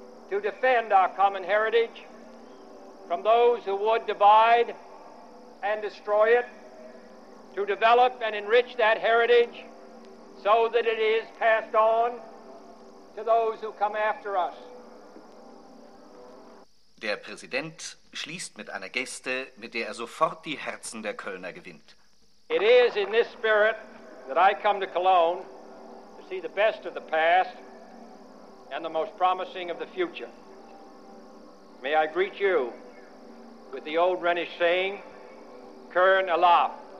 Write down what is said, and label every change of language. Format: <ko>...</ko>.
<en>To defend our common heritage from those who would divide and destroy it, to develop and enrich that heritage so that it is passed on to those who come after us.</en> <de>Der Präsident schließt mit einer Geste, mit der er sofort die Herzen der Kölner gewinnt.</de> <en>It is in this spirit that I come to Cologne to see the best of the past and the most promising of the future. May I greet you with the old Rhenish saying,</en> <de>Köln alaaf.</de>